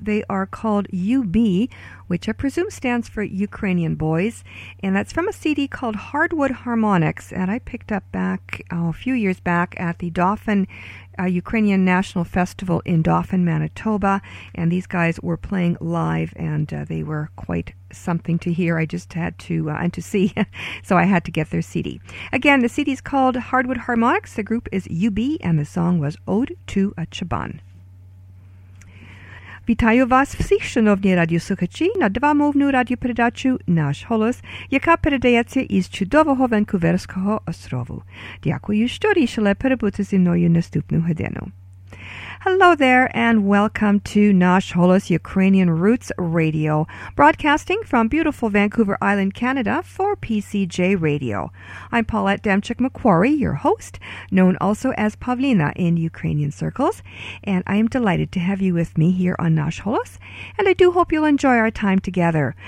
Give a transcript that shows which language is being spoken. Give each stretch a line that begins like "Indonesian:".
English: They are called UB, which I presume stands for Ukrainian Boys, and that's from a CD called Hardwood Harmonics, and I picked up back a few years back at the Dauphin Ukrainian National Festival in Dauphin, Manitoba, and these guys were playing live, and they were quite something to hear. I just had to and to see, so I had to get their CD. Again, the CD is called Hardwood Harmonics. The group is UB, and the song was Ode to a Chaban.
Ukrainian: Вітаю вас всіх, шановні радіослухачі, на двомовну радіопередачу «Наш голос», яка передається із чудового Ванкуверського острову. Дякую, що рішили перебути зі мною наступну годину.
English: Hello there, and welcome to Nash Holos Ukrainian Roots Radio, broadcasting from beautiful Vancouver Island, Canada, for PCJ Radio. I'm Paulette Demchuk-McQuarrie, your host, known also as Pavlina in Ukrainian circles, and I am delighted to have you with me here on Nash Holos, and I do hope you'll enjoy our time together.